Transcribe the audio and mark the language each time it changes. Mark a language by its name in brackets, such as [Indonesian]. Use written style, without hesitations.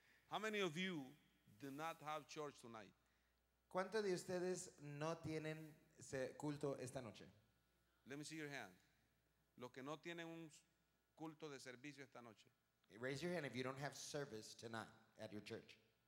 [English] How many of you do not have church tonight? [Spanish] ¿Cuánto de ustedes no tienen culto esta noche? [English] Let me see your hand. [Spanish] Los que no tienen un culto de servicio esta noche. [English] Raise your hand if you don't have service tonight at your church.